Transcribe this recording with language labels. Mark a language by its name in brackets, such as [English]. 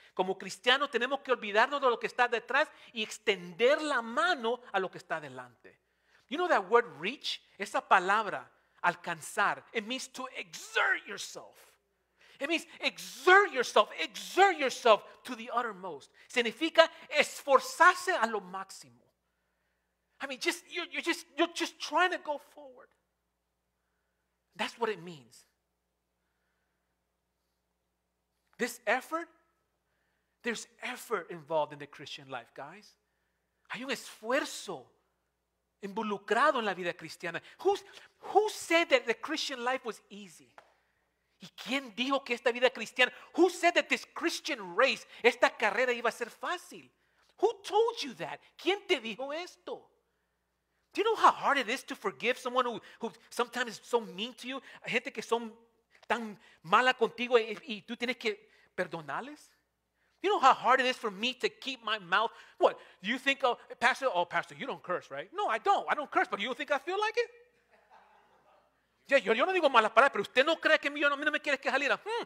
[Spanish] Como cristianos, tenemos que olvidarnos de lo que está detrás y extender la mano a lo que está delante. [English] You know that word reach? [Spanish] Esa palabra, alcanzar, [English] it means to exert yourself. It means exert yourself to the uttermost. [Spanish] Significa esforzarse a lo máximo. [English] I mean, just you're just trying to go forward. That's what it means. This effort, there's effort involved in the Christian life, guys. [Spanish] Hay un esfuerzo involucrado en la vida cristiana. [English] Who said that the Christian life was easy? [Spanish] ¿Y quién dijo que esta vida cristiana, [English] who said that this Christian race, [Spanish] esta carrera iba a ser fácil? [English] Who told you that? [Spanish] ¿Quién te dijo esto? [English] Do you know how hard it is to forgive someone who sometimes is so mean to you? [Spanish] Gente que son tan mala contigo y tú tienes que perdonarles? [English] You know how hard it is for me to keep my mouth? What, do you think, Pastor, you don't curse, right? No, I don't. I don't curse, but you think I feel like it? [Spanish] Yeah, yo no digo malas palabras, pero usted no cree que yo no me quiere que saliera.